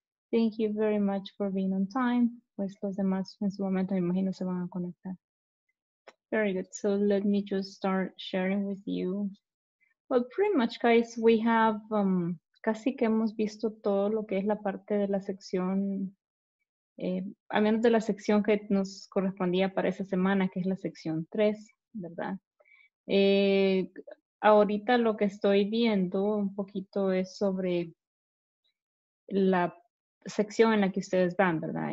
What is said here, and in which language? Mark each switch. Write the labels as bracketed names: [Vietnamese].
[English] Thank you very much for being on time. [Spanish] Pues los demás en su momento, me imagino, se van a conectar. [English] Very good. So let me just start sharing with you. Well, pretty much, guys, we have, [Spanish] casi que hemos visto todo lo que es la parte de la sección. A menos de la sección que nos correspondía para esa semana, que es la sección 3, ¿verdad? Ahorita lo que estoy viendo un poquito es sobre la sección en la que ustedes van, ¿verdad?